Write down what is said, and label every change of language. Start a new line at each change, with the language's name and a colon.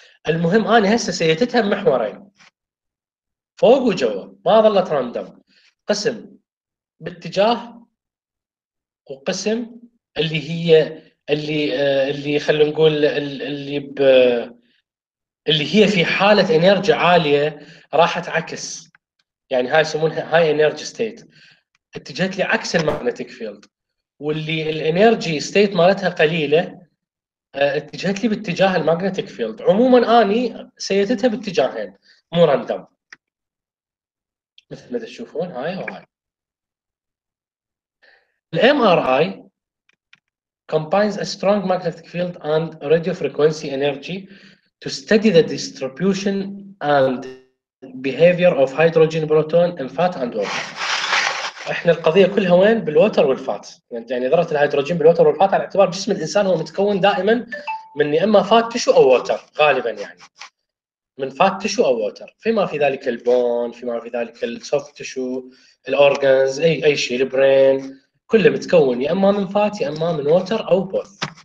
Arabic: المهم أنا هسه سيتتها محورين فوق وجوا، ما ظلت راندم، قسم باتجاه وقسم اللي هي اللي خلينا نقول اللي ب اللي هي في حالة انرجي عالية راحت عكس، يعني هاي يسمونها هاي انرجي ستيت، اتجهت لي عكس الماغنتيك فيلد، واللي الانرجي ستيت مالتها قليلة اتجهت لي باتجاه الماغنتيك فيلد. عموما اني سيتتها باتجاهين مو راندوم مثل ما تشوفون هاي وهاي.
English: الMRI combines a strong magnetic field and radio frequency energy to study the distribution and behavior of hydrogen proton in fat and water.
Arabic: احنا القضيه كلها وين؟ بالووتر والفات، يعني ذره الهيدروجين بالووتر والفات، على اعتبار جسم الانسان هو متكون دائما من يا اما فات تشو او ووتر، غالبا يعني من فات تشو او ووتر، فيما في ذلك البون، فيما في ذلك السوفت تشو، الاورجنز، اي شيء، البرين، كله متكون يا اما من فات يا اما من ووتر او بوث.